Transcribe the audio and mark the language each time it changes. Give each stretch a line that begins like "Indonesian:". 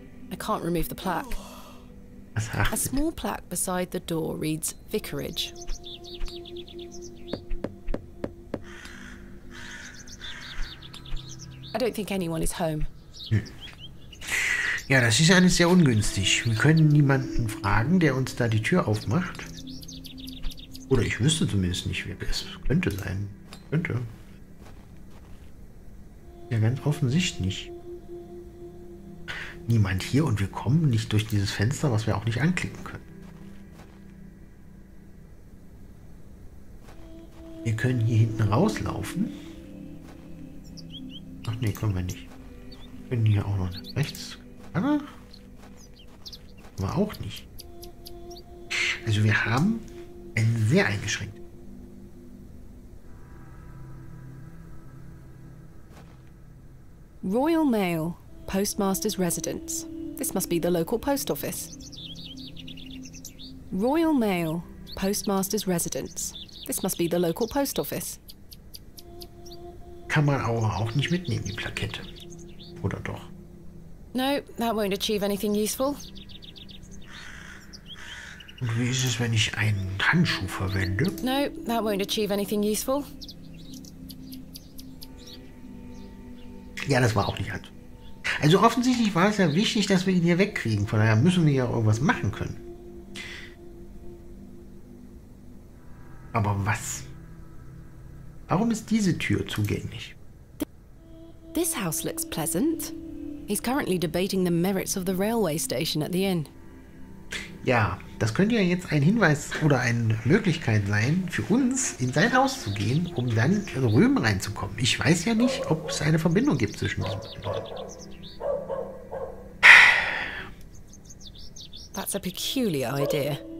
English: I can't remove the plaque. A small plaque beside the door reads Vicarage. I don't think anyone is home.
German: Ja, das ist alles sehr ungünstig. Wir können niemanden fragen, der uns da die Tür aufmacht. Oder ich wüsste zumindest nicht, wer es könnte sein. Könnte. Ja, ganz offensichtlich. Niemand hier und wir kommen nicht durch dieses Fenster, was wir auch nicht anklicken können. Wir können hier hinten rauslaufen. Ach nee, können wir nicht. Wir können hier auch noch rechts. Aber auch nicht. Also wir haben einen sehr eingeschränkt.
English: Royal Mail. Postmaster's residence. This must be the local post office. Royal Mail, Postmaster's residence. This must be the local post office.
German: Kann man aber auch nicht mitnehmen, die Plakette. Oder doch?
English: No, that won't achieve anything useful.
German: Und wie ist es, wenn ich einen Handschuh verwende?
English: No, that won't achieve anything useful.
German: Ja, das war auch nicht halt. Also offensichtlich war es ja wichtig, dass wir ihn hier wegkriegen. Von daher müssen wir ja auch irgendwas machen können. Aber was? Warum ist diese Tür zugänglich?
English: This house looks pleasant. He's currently debating the merits of the railway station at the inn.
German: Ja, das könnte ja jetzt ein Hinweis oder eine Möglichkeit sein, für uns in sein Haus zu gehen, um dann in Röhm reinzukommen. Ich weiß ja nicht, ob es eine Verbindung gibt zwischen diesen beiden.
English: That's a peculiar idea.